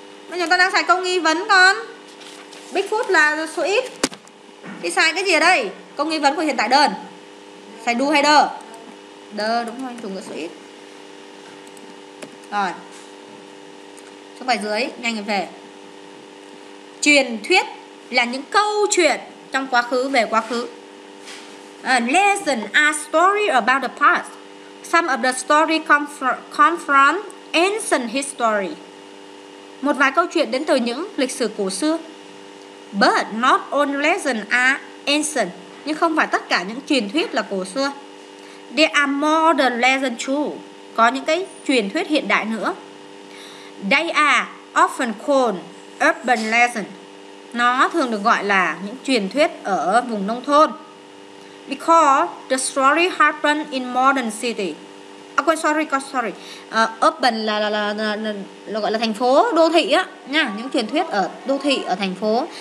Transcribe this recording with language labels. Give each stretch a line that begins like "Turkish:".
Vietnamese: Bây giờ con đang xài câu nghi vấn con. Bigfoot là số ít. Thì xài cái gì ở đây? Câu nghi vấn của hiện tại đơn. Xài do hay đơ? Đơ, đúng rồi, chủ ngữ số ít. Rồi, xuống bài dưới, nhanh về. Truyền thuyết là những câu chuyện trong quá khứ, về quá khứ.
English: Legend are story about the past. Some of the story come from ancient history.
Vietnamese: Một vài câu chuyện đến từ những lịch sử cổ xưa.
English: But not all legends are ancient.
Vietnamese: Nhưng không phải tất cả những truyền thuyết là cổ xưa.
English: There are modern legends too.
Vietnamese: Có những cái truyền thuyết hiện đại nữa.
English: They are often called urban legends.
Vietnamese: Nó thường được gọi là những truyền thuyết ở vùng nông thôn.
English: Because the story happened in modern city.
Vietnamese: A quên, sorry. Urban là gọi là thành phố, đô thị á nha, những truyền thuyết ở đô thị, ở thành phố.